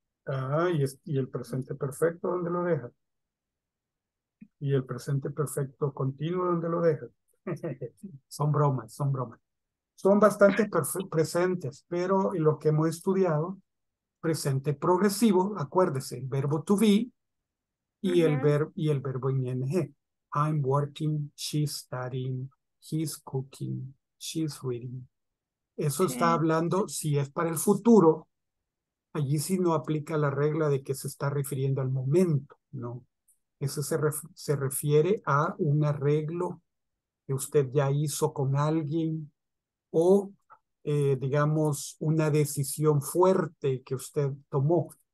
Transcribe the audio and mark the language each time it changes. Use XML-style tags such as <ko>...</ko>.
<es>Ah, ¿y el presente perfecto dónde lo deja? ¿Y el presente perfecto continuo dónde lo deja? Son bromas. Son bastante presentes, pero en lo que hemos estudiado, presente progresivo, acuérdese, el verbo to be y el verbo en ing.</es> <en>I'm working, she's studying, he's cooking, she's reading.</en> <es>Eso okay. Está hablando, si es para el futuro, allí sí no aplica la regla de que se está refiriendo al momento, ¿no? Eso se refiere a un arreglo que usted ya hizo con alguien o, digamos, una decisión fuerte que usted tomó.</es>